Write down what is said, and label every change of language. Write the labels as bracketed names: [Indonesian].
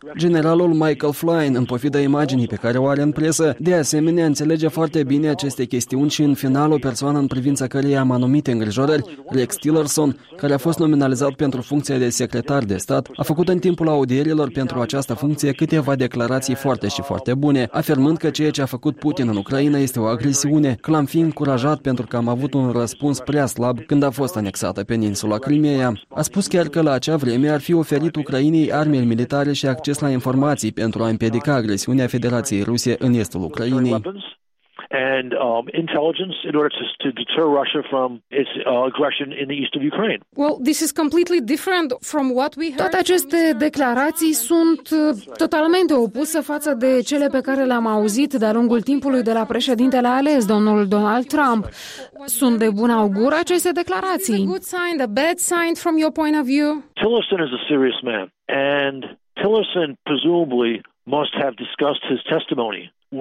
[Romanian] Generalul Michael Flynn, în pofida imaginii pe care o are în presă, de asemenea înțelege foarte bine aceste chestiuni și în final o persoană în privința căreia am anumite îngrijorări, Rex Tillerson, care a fost nominalizat pentru funcția de secretar de stat, a făcut în timpul audierilor pentru această funcție câteva declarații foarte și foarte bune, afirmând că ceea ce a făcut Putin în Ucraina este o agresiune, că l-am fi încurajat pentru că am avut un răspuns prea slab când a fost anexată peninsula Crimeea. A spus chiar că la acea vreme ar fi oferit Ucrainei arme militare și acces la informații pentru a împiedica agresiunea Federației Ruse în estul Ucrainei. [English] And intelligence in order to deter Russia from its aggression in the east of Ukraine. Well, this is completely different from what we heard. [Romanian] Toate aceste declarații sunt totalmente opuse față de cele pe care le-am auzit de-a lungul timpului de la președintele ales, domnul Donald Trump. Sunt de bun augur aceste declarații? [English] A good sign, a bad sign from your point of view? Tillerson is a serious man, and Tillerson presumably must have discussed his testimony.